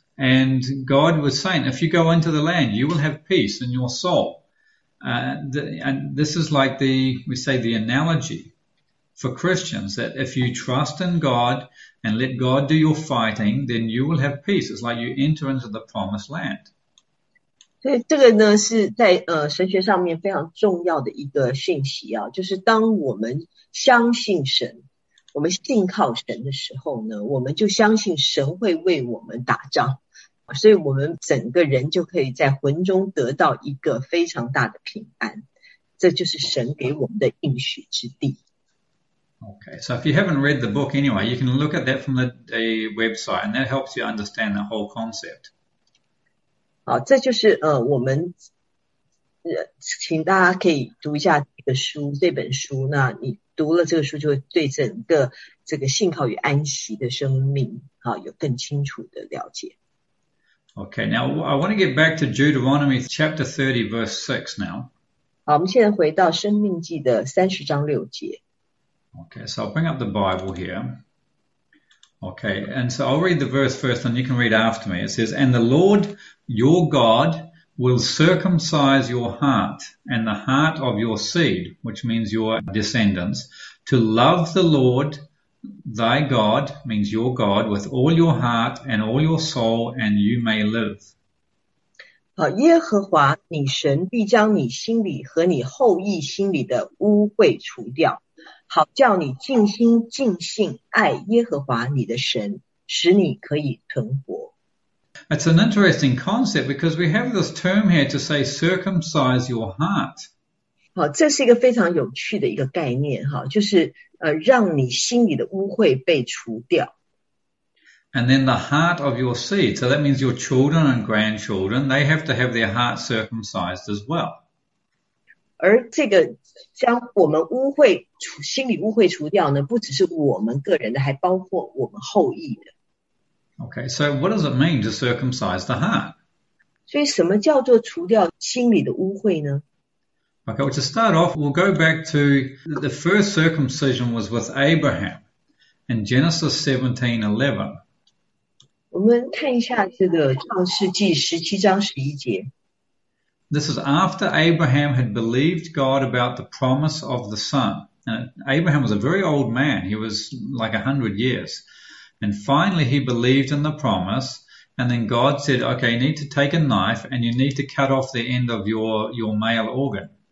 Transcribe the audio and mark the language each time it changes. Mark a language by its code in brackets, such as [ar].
[en] And God was saying, if you go into the land, you will have peace in your soul. And this is like we say, the analogy for Christians that if you trust in God and let God do your fighting, then you will have peace. It's like you enter into the promised land. [zh] 所以这个呢，是在神学上面非常重要的一个信息啊，就是当我们相信神，我们信靠神的时候呢，我们就相信神会为我们打仗，所以我们整个人就可以在魂中得到一个非常大的平安，这就是神给我们的应许之地。 [en] Okay, so if you haven't read the book anyway, you can look at that from the website, and that helps you understand the whole concept. [zh] 好，这就是我们请大家可以读一下这本书。那你读了这个书，就会对整个这个信靠与安息的生命，有更清楚的了解。 [en] Okay, now I want to get back to Deuteronomy chapter 30, verse 6 now. [zh] 好，我们现在回到《生命记》的30章6节。 [en] Okay, so I'll bring up the Bible here. Okay, and so I'll read the verse first and you can read after me. It says, "And the Lord your God will circumcise your heart and the heart of your seed," which means your descendants, "to love the Lord thy God," means your God, "with all your heart and all your soul, and you may live." [zh] 耶和华你神必将你心里和你后裔心里的污秽除掉，好叫你尽心尽性爱耶和华你的神，使你可以存活。 [en] It's an interesting concept because we have this term here to say circumcise your heart. [zh] 这是一个非常有趣的一个概念，就是让你心里的污秽被除掉。 [en] And then the heart of your seed. So that means your children and grandchildren, they have to have their heart circumcised as well. [zh] 而这个将我们污秽除，心里污秽除掉呢，不只是我们个人的，还包括我们后裔的。 [en] Okay, so what does it mean to circumcise the heart? [zh] 所以，什么叫做除掉心里的污秽呢？ [en] Okay, well, to start off, we'll go back to the first circumcision was with Abraham in Genesis 17:11. [zh] 我们看一下这个《创世纪》17章11节。 [en] This is after Abraham had believed God about the promise of the son. And Abraham was a very old man. He was like 100 years. And finally he believed in the promise. And then God said, okay, you need to take a knife and you need to cut off the end of your male organ.